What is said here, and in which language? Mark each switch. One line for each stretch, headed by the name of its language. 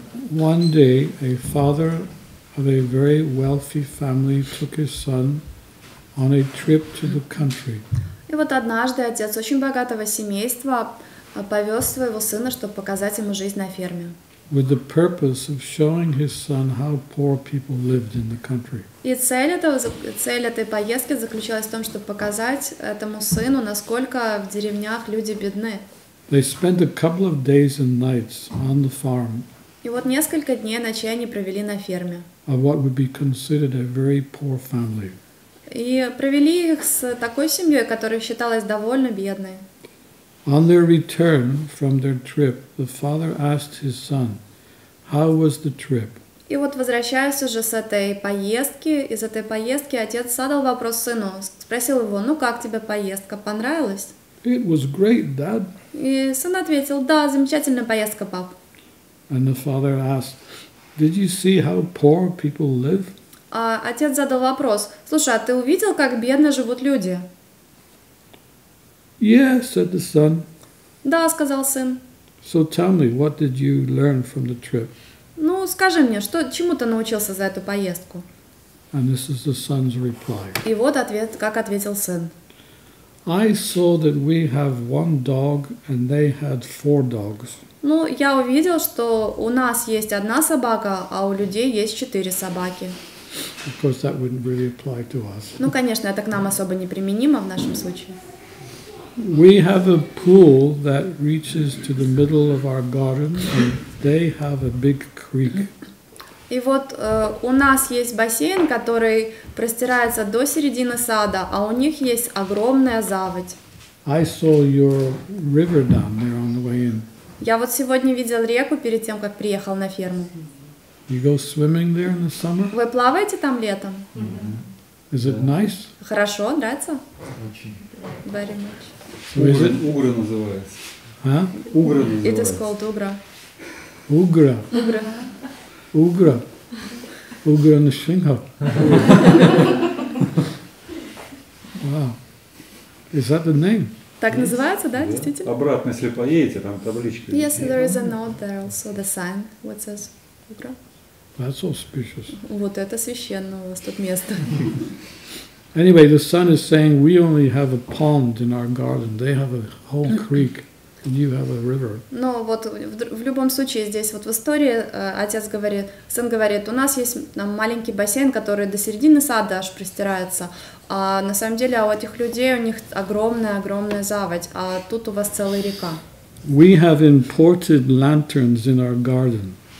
English: One day, a father of a very wealthy family took his son on a trip to the country.
Russian: И вот однажды отец очень богатого семейства повез своего сына, чтобы показать ему жизнь на ферме.
English: With the purpose of showing his son how poor people lived in the country.
Russian: И цель этой поездки заключалась в том, чтобы показать этому сыну, насколько в деревнях люди бедны.
English: They spent a couple of days and nights on the farm.
Russian: И вот несколько дней и ночей они провели на ферме.
English: Of what would be considered a very poor family.
Russian: И провели их с такой семьей, которая считалась довольно бедной.
English: On their return from their trip, the father asked his son, "How was the trip?"
Russian: И вот возвращаясь уже из этой поездки, отец задал вопрос сыну, спросил его, ну как тебе поездка, понравилась?
English: It was great, Dad.
Russian: И сын ответил, да, замечательная поездка, пап.
English: And the father asked, "Did you see how poor people live?"
Russian: А отец задал вопрос, слушай, а ты увидел, как бедно живут люди?
English: Yeah, said the son.
Russian: Да, сказал сын.
English: So tell me, what did you learn from the trip?
Russian: Ну, скажи мне, чему ты научился за эту поездку?
English: And this is the son's reply.
Russian: И вот ответ, как ответил сын.
English: I saw that we have one dog and they had four dogs.
Russian: Ну, я увидел, что у нас есть одна собака, а у людей есть четыре собаки.
English: Of course, that wouldn't really apply to us.
Russian: Ну, конечно, это к нам особо неприменимо в нашем случае.
English: We have a pool that reaches to the middle of our garden, and they have a big creek.
Russian: И вот у нас есть бассейн, который простирается до середины сада, а у них есть огромная заводь.
English: I saw your river down there on the way in.
Russian: Я вот сегодня видел реку перед тем, как приехал на ферму.
English: You go swimming there in the summer?
Russian: Вы плаваете там летом?
English: Mm-hmm. Is it nice?
Russian: Хорошо, нравится? Очень.
English: Very much.
Russian: Угра называется. А? Угра называется.
English: It is called Ugra. Ugra. Ugra. Ugra. Ugra
Russian: на Шинга.
English: Wow. Is that the name?
Russian: Так называется, да, действительно? Обратно, если поедете, там табличка.
English: Yes, there is a note there also, the sign, what says Ugra. That's auspicious.
Russian: Вот это священно у вас тут место.
English: Anyway, the son is saying, we only have a pond in our garden. They have a whole creek. And you have a river.
Russian: Но вот в любом случае здесь вот в истории отец говорит, сын говорит, у нас есть там маленький бассейн, который до середины сада аж простирается, а на самом деле у этих людей у них огромная заводь, а тут у вас целая река.
English: We have imported lanterns in our garden.